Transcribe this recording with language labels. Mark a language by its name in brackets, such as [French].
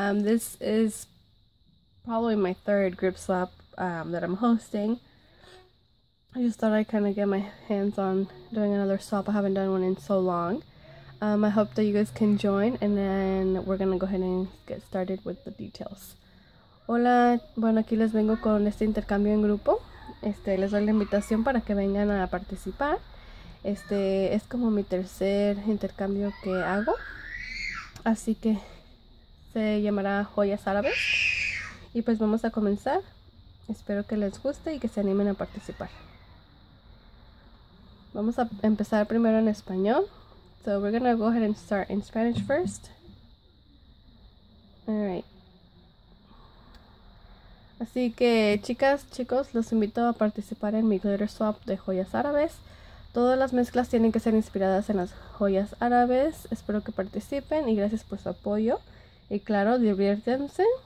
[English] This is probably my third group swap that I'm hosting. I just thought I'd kind of get my hands on doing another swap. I haven't done one in so long. I hope that you guys can join, and then we're gonna go ahead and get started with the details. [Spanish] Hola, bueno, aquí les vengo con este intercambio en grupo. Les doy la invitación para que vengan a participar. Es como mi tercer intercambio que hago, así que se llamará Joyas Árabes, y pues vamos a comenzar. Espero que les guste y que se animen a participar. Vamos a empezar primero en español. [English] So we're gonna go ahead and start in Spanish first. Alright. [Spanish] Así que chicas, chicos, los invito a participar en mi glitter swap de Joyas Árabes. Todas las mezclas tienen que ser inspiradas en las joyas árabes. Espero que participen y gracias por su apoyo. Y claro, diviértanse.